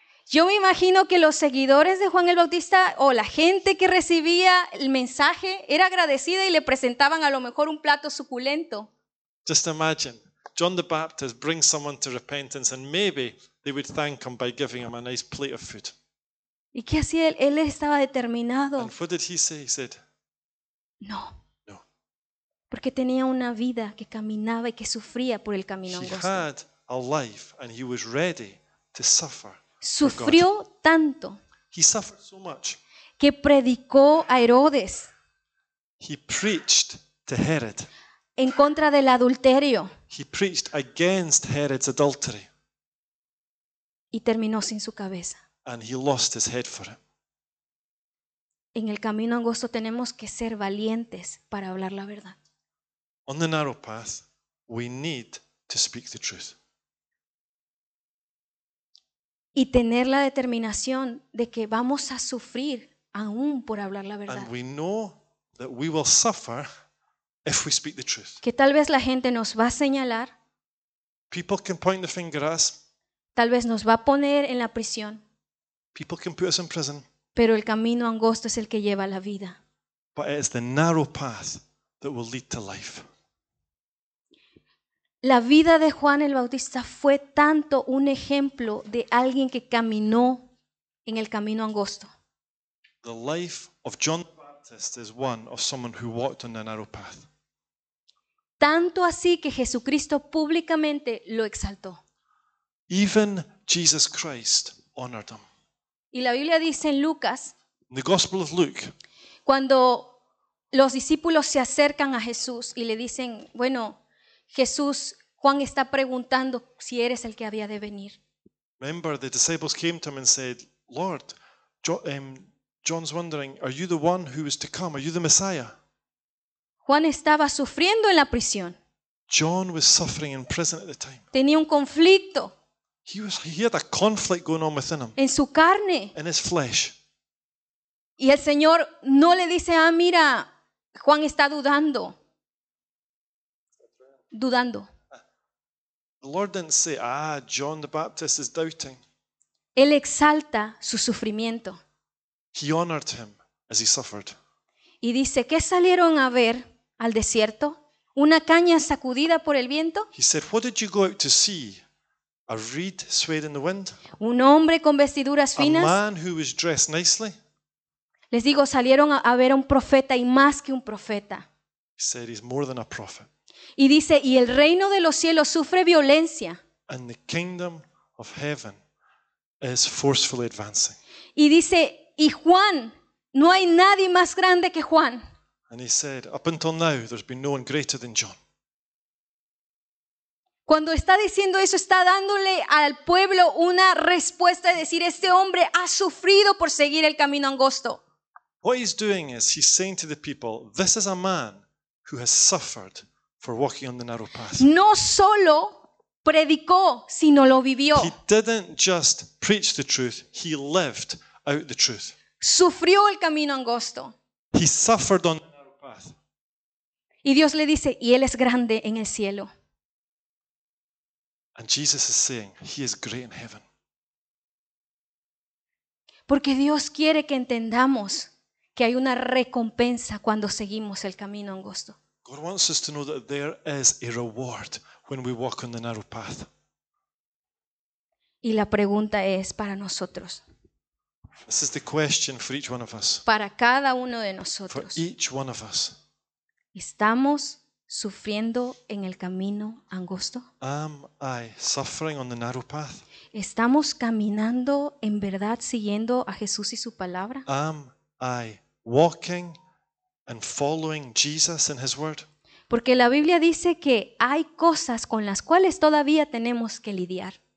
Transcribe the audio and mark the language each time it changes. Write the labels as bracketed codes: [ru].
[es] Yo me imagino que los seguidores de Juan el Bautista o la gente que recibía el mensaje era agradecida y le presentaban a lo mejor un plato suculento. [en] Just imagine, John the Baptist brings someone to repentance and maybe they would thank him by giving him a nice plate of food. [es] ¿Y qué hacía él? Él estaba determinado. [en] And what did he say? He said, no. [es] No. Porque tenía una vida que caminaba y que sufría por el camino angosto. [en] He had a life and he was ready to suffer. [es] Sufrió tanto [en] he suffered so much. [es] Que predicó a Herodes. [en] He preached to Herod. [es] En contra del adulterio. [en] He preached against Herod's adultery. [es] Y terminó sin su cabeza. [en] And he lost his head for it. [es] En el camino angosto tenemos que ser valientes para hablar la verdad. [en] On the narrow path, we need to speak the truth. [es] Y tener la determinación de que vamos a sufrir aún por hablar la verdad. [en] And we know that we will suffer if we speak the truth. [es] Que tal vez la gente nos va a señalar. [en] People can point the finger at us. [es] Tal vez nos va a poner en la prisión. [en] People can put us in prison. [es] Pero el camino angosto es el que lleva a la vida. [en] But it is the narrow path that will lead to life. [es] La vida de Juan el Bautista fue tanto un ejemplo de alguien que caminó en el camino angosto. [en] The life of John the Baptist is one of someone who walked on the narrow path. [es] Tanto así que Jesucristo públicamente lo exaltó. [en] Even Jesus Christ honored him. [es] Y la Biblia dice en Lucas, [en] in the Gospel of Luke, [es] cuando los discípulos se acercan a Jesús y le dicen, bueno, Jesús, Juan está preguntando si eres el que había de venir. [en] Remember, the disciples came to him and said, Lord, John's wondering, are you the one who is to come? Are you the Messiah? [es] Juan estaba sufriendo en la prisión. [en] John was suffering in prison at the time. [es] Tenía un conflicto. [en] He had a conflict going on within him. [es] En su carne. [en] In his flesh. [es] Y el Señor no le dice, ah, mira, Juan está dudando. Dudando. [en] The Lord didn't say, ah, John the Baptist is doubting. [es] Él exalta su sufrimiento. [en] He honored him as he suffered. [es] Y dice, ¿qué salieron a ver al desierto? ¿Una caña sacudida por el viento? [en] He said, what did you go out to see? A reed swayed in the wind? [es] Un hombre con vestiduras finas? [en] A man who was dressed nicely? [es] Les digo, salieron a ver a un profeta y más que un profeta. [en] He said, he's more than a prophet. [es] Y dice, y el reino de los cielos sufre violencia. [en] And the kingdom of heaven is forcefully advancing. [es] Y dice, y Juan, no hay nadie más grande que Juan. [en] And he said, up until now, there's been no one greater than John. [es] Cuando está diciendo eso, está dándole al pueblo una respuesta de decir, este hombre ha sufrido por seguir el camino angosto. [en] What he's doing is he's saying to the people, this is a man who has suffered for walking on the narrow path. [es] No solo predicó, sino lo vivió. [en] He didn't just preach the truth, he lived out the truth. [es] Sufrió el camino angosto. [en] He suffered on the narrow path. [es] Y Dios le dice, y él es grande en el cielo. [en] And Jesus is saying, he is great in heaven. [es] Porque Dios quiere que entendamos que hay una recompensa cuando seguimos el camino angosto. [en] God wants us to know that there is a reward when we walk on the narrow path. [es] Y la pregunta es para nosotros. [en] This is the question for each one of us. [es] Para cada uno de nosotros. [en] For each one of us. [es] ¿Estamos sufriendo en el camino angosto? [en] Am I suffering on the narrow path? [es] ¿Estamos caminando en verdad siguiendo a Jesús y su palabra? [en] Am I walking and following Jesus and his word? [es] Porque la Biblia dice que hay cosas con las cuales todavía tenemos que lidiar.